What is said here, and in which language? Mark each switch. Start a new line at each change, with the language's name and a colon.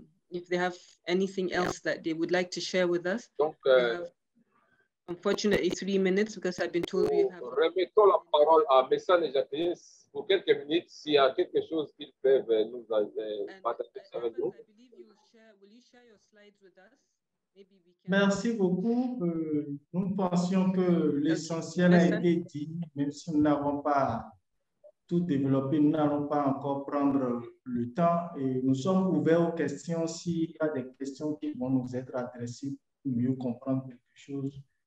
English: If they have anything else that they would like to share with us.
French: Donc,
English: we have, unfortunately, 3 minutes because I've been told we have.
French: Remettons la parole à Mason et Jacqueline pour quelques minutes s'il y a quelque chose qu'ils peuvent nous partager avec nous.
English: I believe you will share your slides with us.
French: Merci beaucoup. Nous pensions que l'essentiel a été dit, même si nous n'avons pas tout développé, nous n'allons pas encore prendre le temps et nous sommes ouverts aux questions s'il y a des questions qui vont nous être adressées pour mieux comprendre quelque chose.